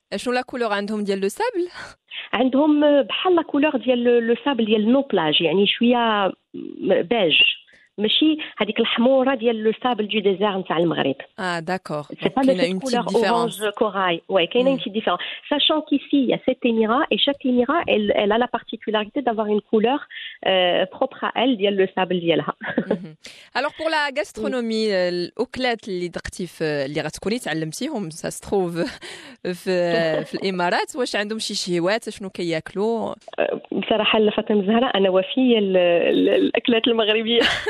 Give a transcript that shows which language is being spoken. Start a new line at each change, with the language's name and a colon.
French: Est-ce que la couleur
Arabic: عندهم ديال
French: le sable ?
Arabic: عندهم بحال
French: la couleur
Arabic: ديال le sable ديال
French: nos plages,
Arabic: يعني شويه beige. ماشي هذيك الحموره ديال
French: لو سابل دو ديزير
Arabic: نتاع المغرب. داكور.
French: C'est pas la même couleur orange corail. Ouais, qu'il y a une petite différence. Sachant qu'ici il y a 7 émirats et chaque émirat elle a la particularité d'avoir une couleur propre à elle ديال le sable ديالها. Alors pour la gastronomie,
Arabic: الاكلات اللي درتي في اللي غتكوني تعلمتيهم,
French: ça se trouve
Arabic: في الامارات, واش عندهم شي شهيوات, شنو كياكلوا؟ بصراحه فاطمه الزهراء انا وفيه الاكلات المغربيه.